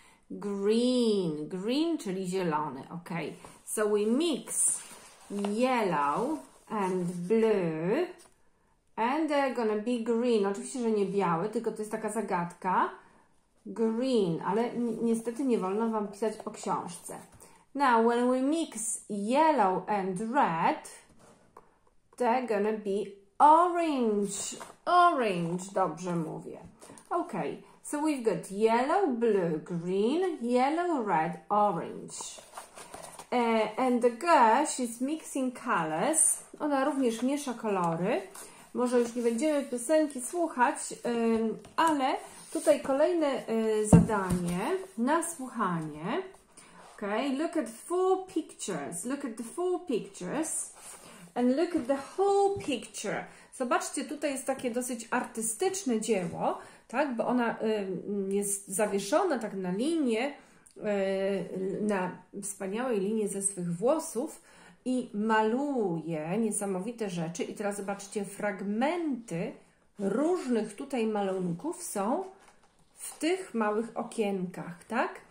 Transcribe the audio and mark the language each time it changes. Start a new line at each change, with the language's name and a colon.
English: Green. Green, czyli zielony. Okay. So we mix yellow and blue. And they're gonna be green.
Polish: Oczywiście, że nie biały, tylko to jest taka zagadka. Green, ale niestety nie wolno Wam pisać po książce.
English: Now, when we mix yellow and red, they're gonna be orange. Orange, dobrze mówię. Okay, so we've got yellow, blue, green, yellow, red, orange. And the girl, she's mixing colors.
Polish: Ona również miesza kolory. Może już nie będziemy piosenki słuchać, ale tutaj kolejne zadanie na słuchanie.
English: Okay, look at four pictures. Look at the four pictures and look at the whole picture.
Polish: Zobaczcie, tutaj jest takie dosyć artystyczne dzieło, tak? Bo ona jest zawieszona tak na linię, na wspaniałej linii ze swych włosów i maluje niesamowite rzeczy. I teraz zobaczcie, fragmenty różnych tutaj malunków są w tych małych okienkach, tak?